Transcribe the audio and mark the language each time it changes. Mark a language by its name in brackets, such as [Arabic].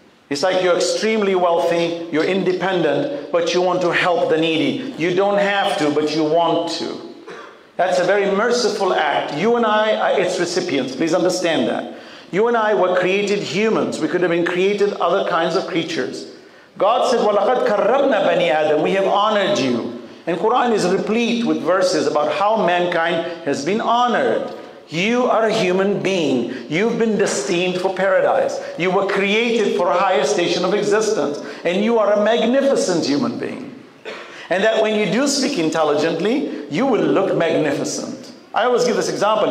[English] It's like you're extremely wealthy, you're independent, but you want to help the needy. You don't have to, but you want to. That's a very merciful act. You and I are its recipients. Please understand that. You and I were created humans. We could have been created other kinds of creatures. God said, [Arabic] وَلَقَدْ كَرَّبْنَا بَنِي آدَمَ. [English] We have honored you. And Quran is replete with verses about how mankind has been honored. You are a human being. You've been destined for paradise. You were created for a higher station of existence. And you are a magnificent human being. And that when you do speak intelligently, you will look magnificent. I always give this example.